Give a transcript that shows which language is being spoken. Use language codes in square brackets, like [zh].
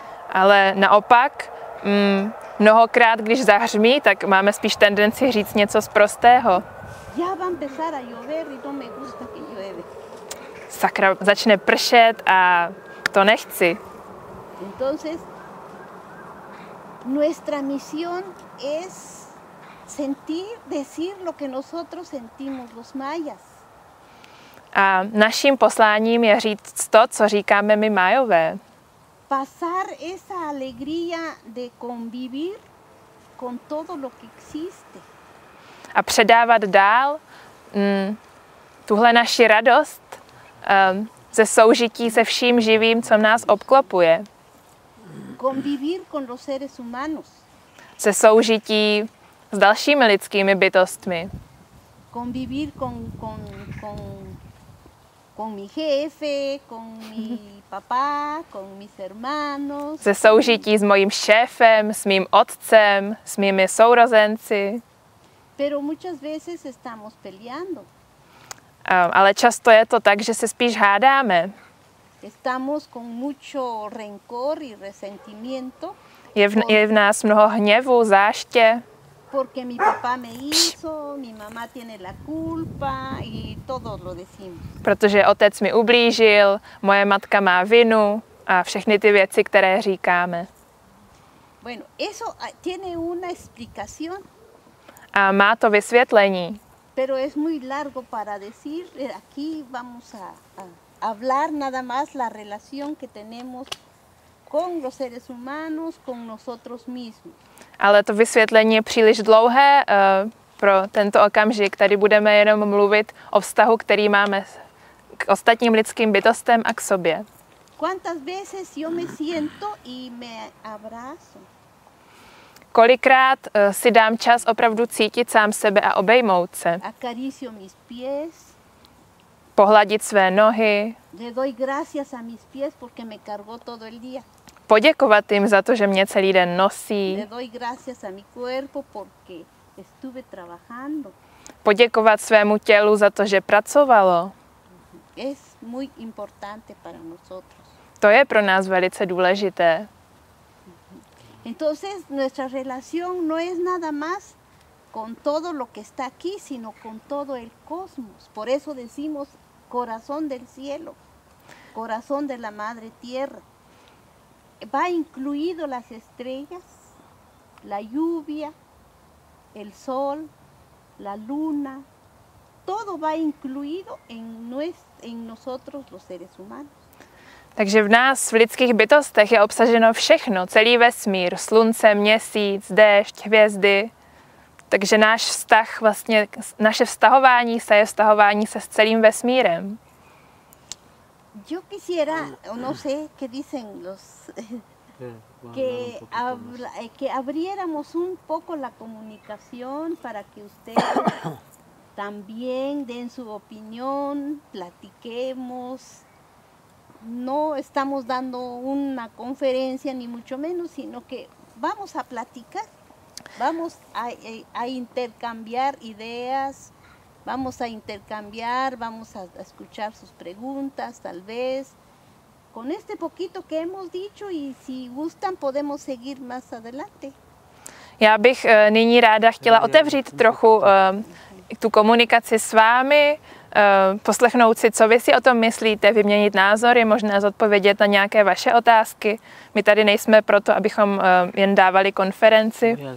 [cs] Ale naopak, mnohokrát, když zahřmí, tak máme spíš tendenci říct něco sprostého. [es] Já vám empezar a llover y no me gusta que llueve. [cs] Sakra, začne pršet a to nechci. [es] Entonces, nuestra misión es sentir, decir lo que nosotros sentimos los mayas. [cs] A naším posláním je říct to, co říkáme my Májové. [es] Pasar esa alegría de convivir con todo lo que existe. [cs] A předávat dál tuhle naši radost ze soužití se vším živým, co nás obklopuje. [es] Convivir con los seres humanos. [cs] Se soužití s dalšími lidskými bytostmi. [es] Convivir con mi jefe, con mi papá, con mis hermanos. [cs] Se soužití s mojím šéfem, s mým otcem, s mými sourozenci. [es] Pero muchas veces estamos peleando. [cs] Ale často je to tak, že se spíš hádáme. [es] Estamos con mucho rencor y resentimiento. [cs] Je v nás mnoho hněvu, záště. [es] Porque mi papá me hizo, mi mamá tiene la culpa y todo lo decimos. [cs] Protože otec mi ublížil, moje matka má vinu a všechny ty věci, které říkáme. [es] Bueno, eso tiene una explicación. [cs] A má to vysvětlení. [es] Pero es muy largo para decir, aquí vamos a hablar nada más la relación que tenemos con los seres humanos, con nosotros mismos. [cs] Ale to vysvětlení je příliš dlouhé pro tento okamžik. Tady budeme jenom mluvit o vztahu, který máme k ostatním lidským bytostem a k sobě. [es] ¿Cuántas veces yo me siento y me abrazo? [cs] Kolikrát si dám čas opravdu cítit sám sebe a obejmout se. [es] Acaricio mis pies. [cs] Pohladit své nohy. [es] Le doy gracias a mis pies porque me cargó todo el día. [cs] Poděkovat jim za to, že mě celý den nosí. [es] Le doy gracias a mi cuerpo porque estuve trabajando. [cs] Poděkovat svému tělu za to, že pracovalo. [es] Es muy importante para nosotros. [cs] To je pro nás velice důležité. [es] Entonces nuestra relación no es nada más con todo lo que está aquí, sino con todo el cosmos. Por eso decimos corazón del cielo, corazón de la madre tierra. Va incluido las estrellas, la lluvia, el sol, la luna, todo va incluido en nosotros los seres humanos. [cs] Takže v nás, v lidských bytostech, je obsaženo všechno, celý vesmír, slunce, měsíc, déšť, hvězdy. Takže náš vztah, vlastně naše vztahování se je vztahování se s celým vesmírem. [es] Yo quisiera, no sé, qué dicen los, que abriéramos un poco la comunicación para que ustedes también den su opinión, platiquemos. No estamos dando una conferencia ni mucho menos, sino que vamos a platicar, vamos a intercambiar ideas, vamos a intercambiar, vamos a escuchar sus preguntas, tal vez, con este poquito que hemos dicho y si gustan podemos seguir más adelante. [cs] Já bych nyní ráda chtěla otevřít trochu tu komunikaci s vámi, poslechnout si, co vy si o tom myslíte, vyměnit názory, možná zodpovědět na nějaké vaše otázky. My tady nejsme proto, abychom jen dávali konferenci.